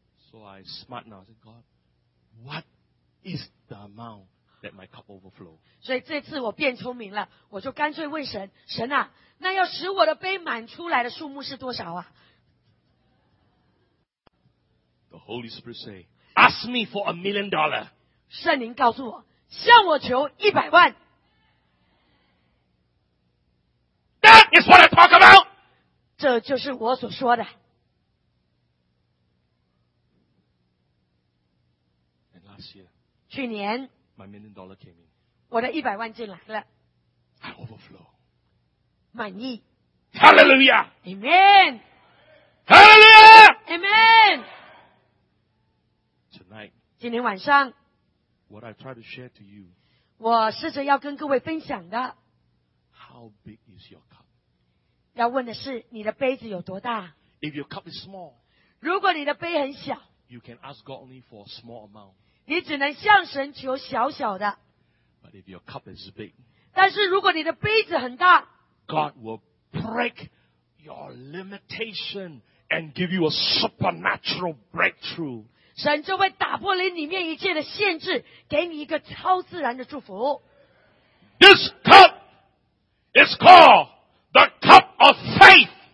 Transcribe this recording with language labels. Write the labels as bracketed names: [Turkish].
[English] So I smart now. I said, God, what is the amount that my cup overflow? [Chinese] 所以这次我变聪明了，我就干脆问神，神啊。那要使我的杯满出来的数目是多少啊 [English] ？The Holy Spirit say, "Ask me for $1,000,000." [Chinese] 圣灵告诉我，向我求一百万。 [English] That is what I talk about. [Chinese] 这就是我所说的。 [English] And last year, [Chinese] 去年 [English] ，my $1,000,000 came in. [Chinese] 我的一百万进来了。 [English] I overflow. [Chinese] 满意 [English] Hallelujah Amen Hallelujah Amen Tonight [Chinese] 今天晚上 [English] What I try to share to you [Chinese] 我试着要跟各位分享的 [English] How big is your cup [Chinese] 要问的是你的杯子有多大 [English] If your cup is small [Chinese] 如果你的杯很小 [English] You can ask God only for a small amount [Chinese] 你只能向神求小小的 [English] But if your cup is big [Chinese] 但是如果你的杯子很大 [English] God will break your limitation and give you a supernatural breakthrough. [Chinese] 神就会打破你里面一切的限制，给你一个超自然的祝福。 [English] This cup is called the cup of faith.